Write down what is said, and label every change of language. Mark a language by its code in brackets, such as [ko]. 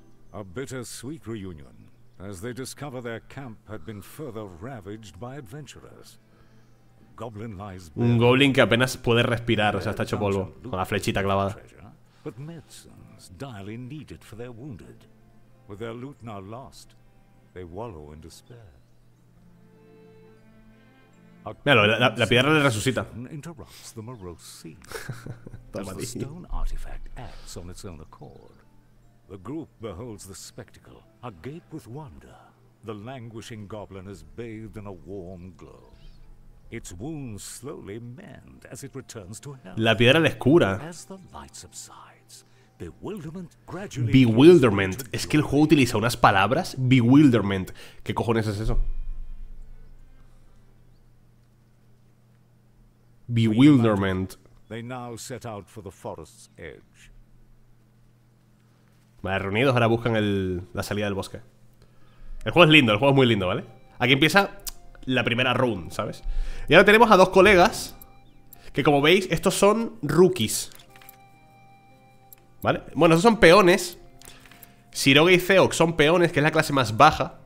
[en] A bittersweet reunion, as they discover their camp had been further ravaged by adventurers. Goblin lies bare. [es] Un goblin que apenas puede respirar, o sea, está hecho polvo, con la flechita clavada. [en] But medicines dearly needed for their wounded. With their loot now lost, they wallow in despair. [es] Míralo, la piedra le resucita. Toma, tío. [en] The group beholds the spectacle, agape with wonder. The languishing goblin is bathed in a warm glow. Its wounds slowly mend as it returns to health. [es] La piedra les cura. [en] As the light subsides, [es] bewilderment. Es que el juego utiliza unas palabras. Bewilderment. ¿Qué cojones es eso? [en] Bewilderment. They now set out for the forest's edge. [es] Vale, reunidos, ahora buscan la salida del bosque. El juego es lindo, el juego es muy lindo, ¿vale? Aquí empieza la primera run, ¿sabes? Y ahora tenemos a dos colegas que, como veis, estos son rookies, ¿vale? Bueno, estos son peones. Siroge y Zeox son peones, que es la clase más baja.